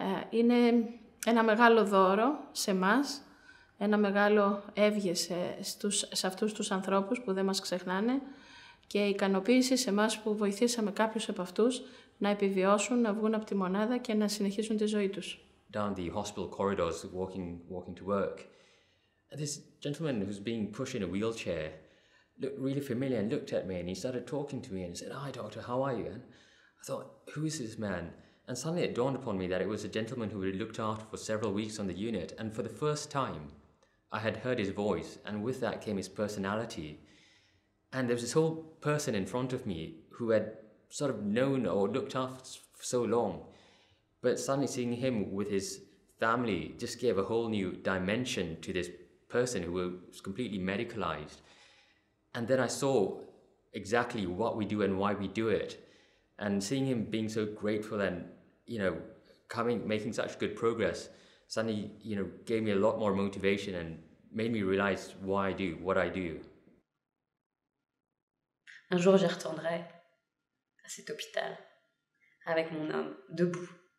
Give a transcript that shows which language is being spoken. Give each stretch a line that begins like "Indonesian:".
Greek: Είναι ένα μεγάλο δώρο σε μας, ένα μεγάλο εύγεσαι σε αυτούς τους ανθρώπους που δεν μας ξεχνάνε και ικανοποίηση σε μας που βοηθήσαμε κάποιους από αυτούς να επιβιώσουν, να βγουν από τη μονάδα και να συνεχίσουν τη ζωή τους.
English: Down the hospital corridors, walking to work, this gentleman who's being pushed in a wheelchair looked really familiar and looked at me and he started talking to me and he said, "Hi doctor, how are you?" And I thought, "Who is this man?" And suddenly it dawned upon me that it was a gentleman who had looked after for several weeks on the unit, and for the first time I had heard his voice, and with that came his personality. And there was this whole person in front of me who had sort of known or looked after for so long, but suddenly seeing him with his family just gave a whole new dimension to this person who was completely medicalized. And then I saw exactly what we do and why we do it. And seeing him being so grateful and, you know, making such good progress, suddenly, you know, gave me a lot more motivation and made me realize why I do what I do.
French: Un jour, j'y retournerai à cet hôpital avec mon homme debout.